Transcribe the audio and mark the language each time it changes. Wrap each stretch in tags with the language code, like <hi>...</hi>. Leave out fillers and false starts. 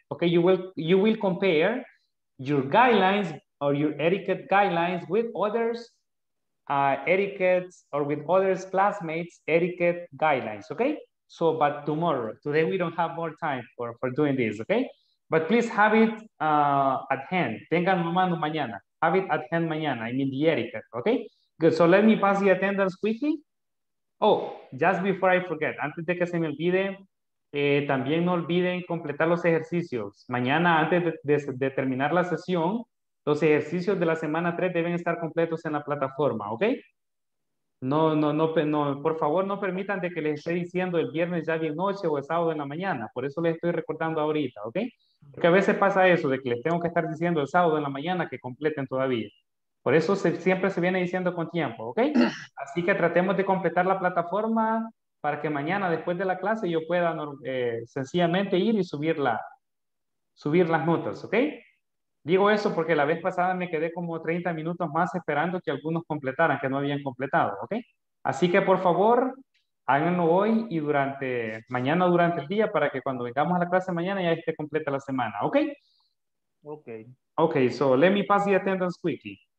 <en>Okay, you will compare your guidelines or your etiquette guidelines with others, etiquettes, or with others' classmates' etiquette guidelines, okay? So, but tomorrow, today we don't have more time for doing this, okay? But please have it at hand.</en> <es>Tengan mano mañana.</es> <en>Have it at hand mañana, I mean the etiquette, okay? Good, so let me pass the attendance quickly. Oh, just before I forget,</en> <es>antes de que se me olvide, también no olviden completar los ejercicios. Mañana, antes de terminar la sesión, los ejercicios de la semana 3 deben estar completos en la plataforma, ¿ok? No, por favor, no permitan de que les esté diciendo el viernes ya bien noche o el sábado en la mañana. Por eso les estoy recordando ahorita, ¿ok? Porque a veces pasa eso, de que les tengo que estar diciendo el sábado en la mañana que completen todavía. Por eso siempre se viene diciendo con tiempo, ¿ok? Así que tratemos de completar la plataforma para que mañana después de la clase yo pueda sencillamente ir y subir las notas, ¿ok? Digo eso porque la vez pasada me quedé como 30 minutos más esperando que algunos completaran, que no habían completado, ¿ok? Así que por favor, háganlo hoy y durante mañana durante el día para que cuando vengamos a la clase mañana ya esté completa la semana, ¿ok? Ok.</es> <en>Ok, so let me pass the attendance quickly.</en>